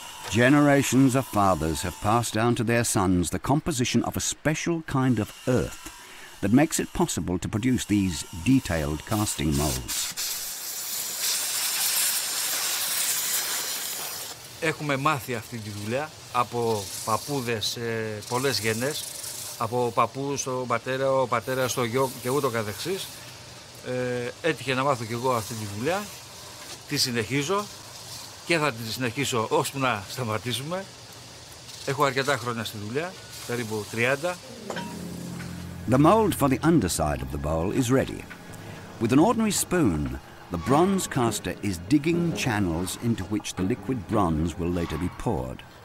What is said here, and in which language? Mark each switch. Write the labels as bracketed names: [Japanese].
[English] Generations of fathers have passed down to their sons the composition of a special kind of earth that makes it possible to produce these detailed casting moulds. [Greek] Έχουμε μάθει αυτή τη δουλειά από παππούδες πολλές γενιές, από παππού στον πατέρα, ο πατέρα στο γιο και ούτω καθεξής. Έτυχε να μάθω κι εγώ αυτή τη δουλειά. Τη συνεχίζω και θα τη συνεχίσω ώσπου να σταματήσουμε. Έχω αρκετά χρόνια στη δουλειά, περίπου 30. [English] The mold for the underside of the bowl is ready. With an ordinary spoon, the bronze caster is digging channels into which the liquid bronze will later be poured.